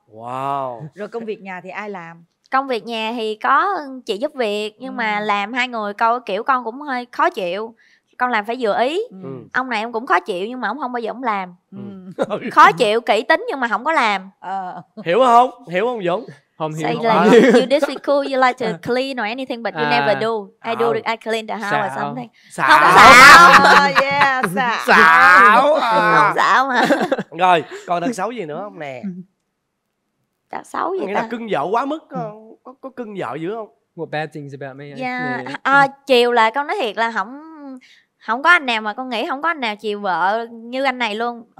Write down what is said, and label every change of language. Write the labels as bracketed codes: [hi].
[vi] Wow. Rồi công việc nhà thì ai làm? Công việc nhà thì có chị giúp việc, nhưng mà làm hai người câu kiểu con cũng hơi khó chịu. Con làm phải vừa ý. Ông này em cũng khó chịu nhưng mà ông không bao giờ ông làm. Khó chịu, kỹ tính nhưng mà không có làm. Hiểu không? Hiểu không Dũng? Không hiểu. [en] Say like, you disagree cool, you like to clean or anything but you never do. I do, I clean the house or something. [vi] Xạo mà. Rồi, còn đợt xấu gì nữa không nè? Đợt xấu gì ta? Nghĩa là cưng vợ quá mức, có cưng vợ dữ không? [en] What bad things about me? [vi] Chiều là con nói thiệt là không có anh nào mà con nghĩ không có anh nào chiều vợ như anh này luôn.